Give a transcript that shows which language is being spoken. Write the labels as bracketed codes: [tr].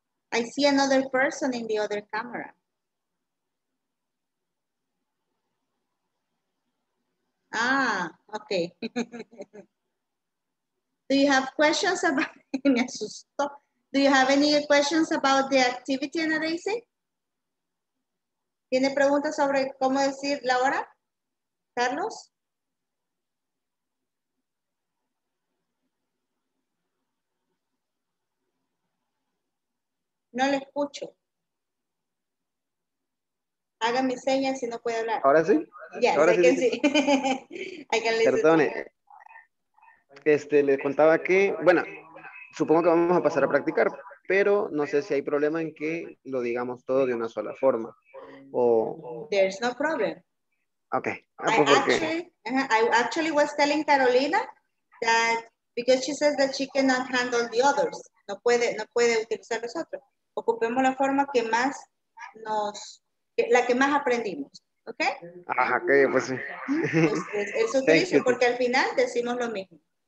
[en] I see another person in the other camera. Ah, okay. Do you have questions about, [es] me asustó. [en] Do you have any questions about the activity, Anna Daisy? [es] ¿Tiene preguntas sobre cómo decir la hora, Carlos? No le escucho. Haga mi seña si no puede hablar. ¿Ahora sí? Ya, ahora sé sí, que sí. Perdone. Le contaba que, bueno, supongo que vamos a pasar a practicar, pero no sé si hay problema en que lo digamos todo de una sola forma. [en] There's no problem. Okay. I actually was telling Carolina that because she says that she cannot handle the others. [es] No puede utilizar los otros. Ocupemos la forma que más nos, la que más aprendimos. [en] Okay? [es] Ajá, okay, pues sí. Es utilizo porque al final decimos lo mismo.